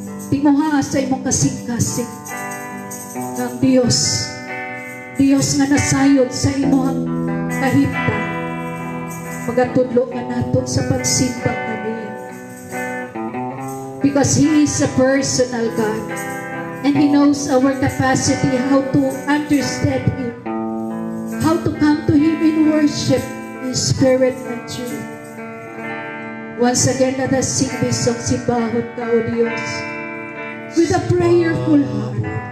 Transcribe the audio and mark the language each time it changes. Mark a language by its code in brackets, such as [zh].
[ceb] Timuha sa imong kasing-kasing ng Diyos. Diyos nga nasayod sa imong kahimta. Magatudlo nga nato sa pagsimba ka niya. [en] Because He is a personal God and He knows our capacity how to understand Him, how to come to Him in worship. Spirit and truth. Once again, let us sing this song, [ceb] Sibahon ka, O Diyos, [en] with a prayerful heart.